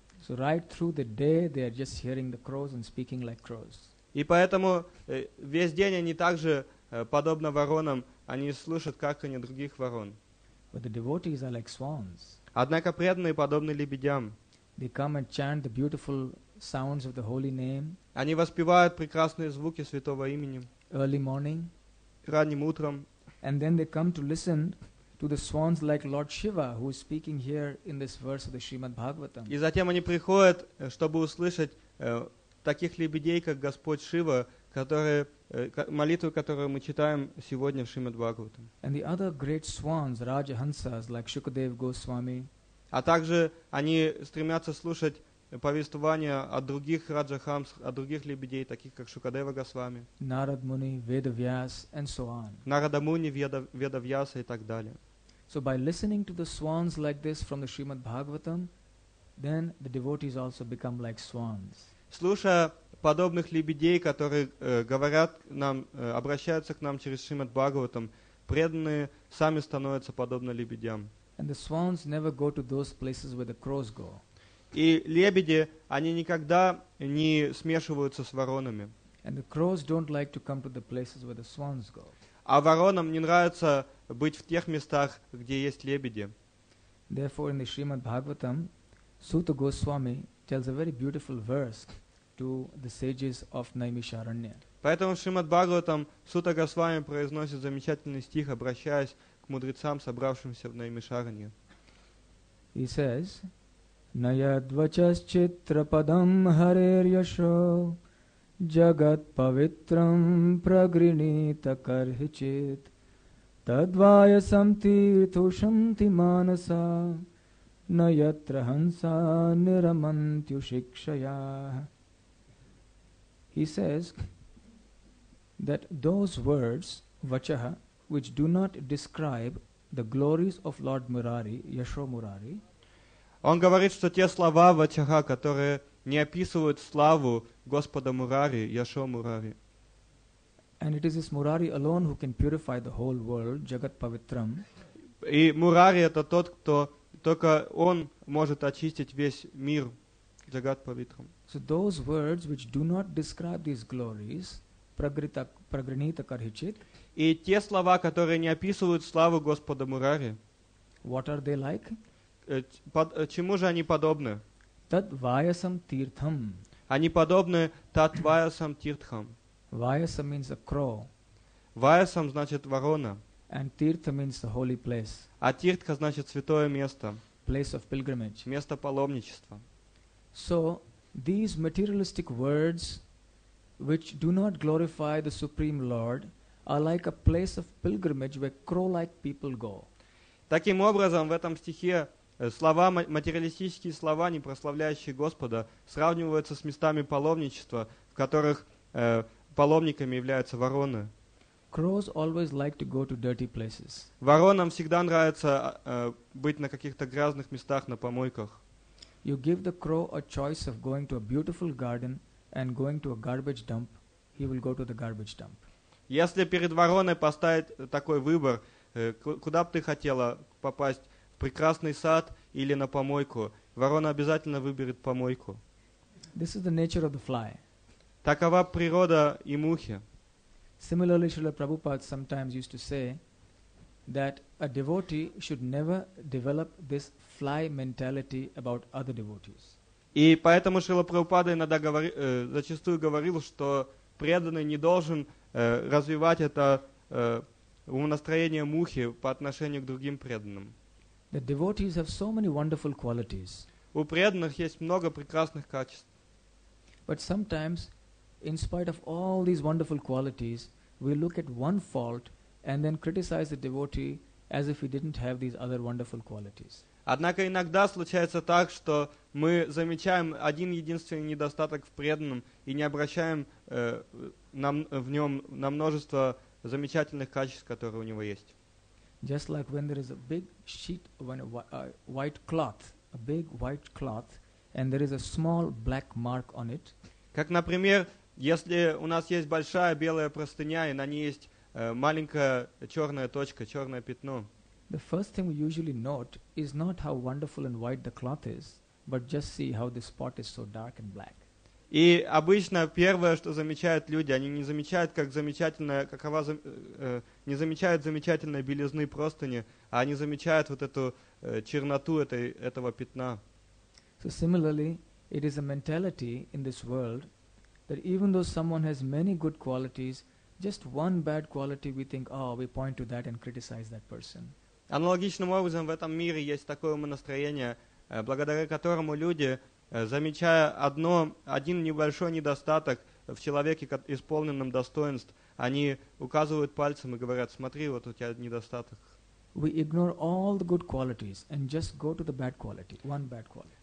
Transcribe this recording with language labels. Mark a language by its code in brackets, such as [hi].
[en] So right through the day, they are just hearing the crows and speaking like crows. [ru] И поэтому весь день они также, подобно воронам, они слушают карканье других ворон. [en] But the devotees are like swans. [ru] Однако преданные подобны лебедям. [en] They come and chant the beautiful sounds of the holy name. [ru] Они воспевают прекрасные звуки святого имени. [en] Early morning. [ru] Ранним утром. [en] And then they come to listen to the swans like Lord Shiva, who is speaking here in this verse of the Srimad Bhagavatam. [ru] И затем они приходят, чтобы услышать таких лебедей, как Господь Шива, которые молитву, которую мы читаем сегодня в Шримад Бхагаватам. [en] And the other great swans, Rajahansas, like Shukadev Goswami. [ru] А также они стремятся слушать повествования о других раджахамс, о других лебедей, таких как Шукадева Госвами, [en] Нарадмуни, Ведавьяс, and so on. [ru] Нарадамуни, Ведавьяса и так далее. [en] So by listening to the swans like this from the Srimad Bhagavatam, then the devotees also become like swans. [ru] Слушая подобных лебедей, которые говорят нам, обращаются к нам через Шримад Бхагаватам, преданные сами становятся подобны лебедям. [en] And the swans never go to those places where the crows go. [ru] И лебеди, они никогда не смешиваются с воронами. [en] And the crows don't like to come to the places where the swans go. [ru] А воронам не нравится быть в тех местах, где есть лебеди. [en] Therefore, in the Srimad Bhagavatam, Suta Goswami tells a very beautiful verse to the sages of Naimisharanya. [ru] Поэтому в Шримад Бхагаватам Сута Госвами произносит замечательный стих, обращаясь к мудрецам, собравшимся в Наймишаранье. [sa] He says, Nayadvachaschitrapadam harerjasho jagat pavitram pragrinita karhichit tadvaya samtirthushanti manasa nayatrahansa niramantyu shikshaya. [en] He says that those words, vachaha, which do not describe the glories of Lord Murari, Yasho Murari, [ru] он говорит, что те слова вачаха, которые не описывают славу Господа Мурари, Яшо Мурари. [en] And it is this Murari alone who can purify the whole world, [sa] Jagat Pavitram. [ru] И Мурари — это тот, кто только он может очистить весь мир, [sa] Jagat Pavitram. [en] So those words which do not describe these glories, [sa] Prагринита Кархичит. [ru] И те слова, которые не описывают славу Господа Мурари. [en] What are they like? [ru] Чему же они подобны? [sa] Тадвайасам тиртхам. [ru] Они подобны [sa] тадвайасам тиртхам. [en] Вайасам means a crow. [ru] Вайасам значит ворона. [en] And тиртха means the holy place. [ru] А тиртха значит святое место. [en] Place of pilgrimage. [ru] Место паломничества. [en] So these materialistic words, which do not glorify the Supreme Lord, are like a place of pilgrimage where crow-like people go. [ru] Таким образом, в этом стихе слова, материалистические слова, не прославляющие Господа, сравниваются с местами паломничества, в которых паломниками являются вороны. [en] Crows always like to go to dirty places. [ru] Воронам всегда нравится быть на каких-то грязных местах, на помойках. [en] You give the crow a choice of going to a beautiful garden and going to a garbage dump, he will go to the garbage dump. [ru] Если перед вороной поставить такой выбор, куда бы ты хотела попасть, прекрасный сад или на помойку, ворона обязательно выберет помойку. [en] This is the nature of the fly. [ru] Такова природа и мухи. [en] Similarly, Srila Prabhupada sometimes used to say that a devotee should never develop this fly mentality about other devotees. [ru] И поэтому Шрила Прабхупада иногда зачастую говорил, что преданный не должен развивать это умонастроение мухи по отношению к другим преданным. [en] The devotees have so many wonderful qualities. [ru] У преданных есть много прекрасных качеств. [en] But sometimes, in spite of all these wonderful qualities, we look at one fault and then criticize the devotee as if he didn't have these other wonderful qualities. [ru] Однако иногда случается так, что мы замечаем один единственный недостаток в преданном и не обращаем в нем на множество замечательных качеств, которые у него есть. [en] Just like when there is a big sheet, when a white cloth, a big white cloth, and there is a small black mark on it. [ru] Как, например, если у нас есть большая белая простыня и на ней есть маленькая черная точка, черное пятно. [en] The first thing we usually note is not how wonderful and white the cloth is, but just see how the spot is so dark and black. [ru] И обычно первое, что замечают люди, они не замечают, как замечательная, какова, не замечают замечательной белизны простыни, а они замечают вот эту черноту этой, этого пятна. [en] So similarly, it is a mentality in this world that even though someone has many good qualities, just one bad quality we think, oh, we point to that and criticize that person. [ru] Аналогичным образом в этом мире есть такое настроение, благодаря которому люди, замечая один небольшой недостаток в человеке, исполненном достоинств, они указывают пальцем и говорят, смотри, вот у тебя недостаток. [en] We ignore all the good qualities and just go to the bad quality, one bad quality.